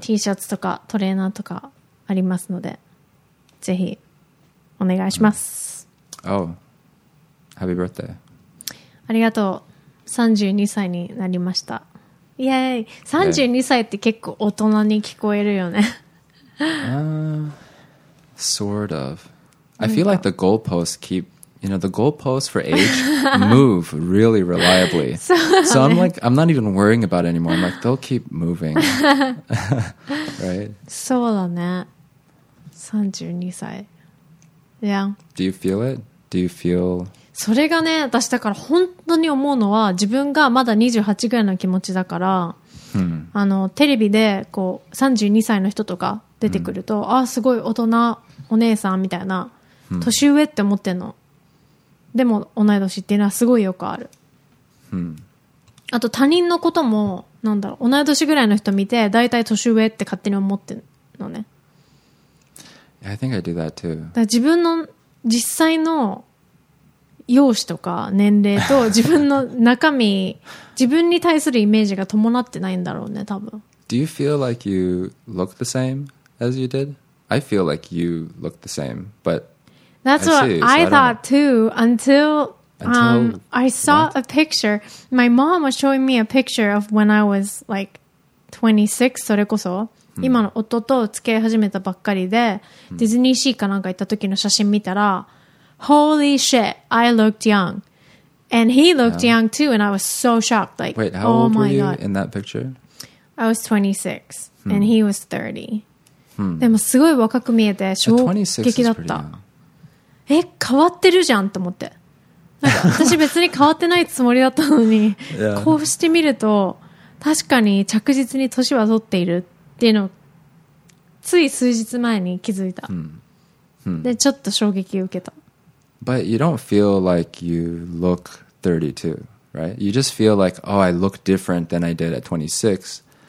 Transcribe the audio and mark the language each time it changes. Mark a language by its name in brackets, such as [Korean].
[Japanese] T シャツとかトレーナーとかありますので、ぜひお願いします。 [English] Oh, happy birthday. [Japanese] ありがとう。32歳になりました。イエーイ、32歳って結構大人に聞こえるよね。 [English] Sort of. I feel like the goalposts keep, you know, the goalposts for age move really reliably. So, I'm like, I'm not even worrying about it anymore. I'm like, they'll keep moving. Right? [Japanese] そうだね。32歳。Yeah. [English] Do you feel it? Do you feel... [Japanese] それがね、私だから本当に思うのは、自分がまだ28ぐらいの気持ちだから、あの、テレビで、こう、32歳の人とか出てくると、ああ、すごい大人、お姉さんみたいな、年上って思ってんの。でも、同い年っていうのはすごいよくある。あと、他人のことも、なんだろう、同い年ぐらいの人見て、大体年上って勝手に思ってんのね。 [English] I think I do that too. [Japanese] だから自分の、実際の、容姿とか年齢と自分の中身自分に対するイメージが伴ってないんだろうね多分。 [English] Do you feel like you look the same as you did? I feel like you look the same, but that's what I thought too until I saw a picture. My mom was showing me a picture of when I was like 26. [Japanese] それこそ今の夫と付き合い始めたばっかりでディズニーシーかなんか行った時の写真見たら。 [English] Holy shit, I looked young. And he looked young too, and I was so shocked. Like, wait, how old were you in that picture? I was 26, and he was 30. [Japanese] でもすごい若く見えて、衝撃だった。え、変わってるじゃんと思って。なんか私別に変わってないつもりだったのに、こうしてみると、確かに着実に年は取っているっていうのを、つい数日前に気づいた。で、ちょっと衝撃を受けた。 [English] But you don't feel like you look 32, right? You just feel like, oh, I look different than I did at 26.